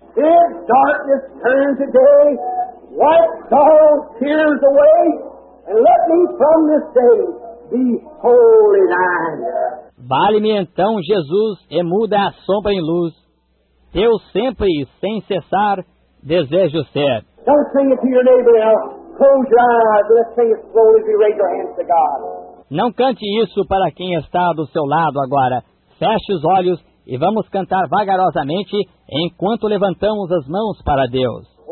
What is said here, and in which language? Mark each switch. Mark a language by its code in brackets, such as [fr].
[en] if darkness turns today, wipe sorrow tears away, and let me from this day be holy thine. [pt] Vale-me então, Jesus, e muda a sombra em luz. Eu sempre e sem cessar desejo ser. [en] Don't sing it to your neighbor now. Close your eyes. Let's sing it slowly as you raise your hands to God. [pt] Não cante isso para quem está do seu lado agora. Feche os olhos e vamos cantar vagarosamente enquanto levantamos as mãos para Deus.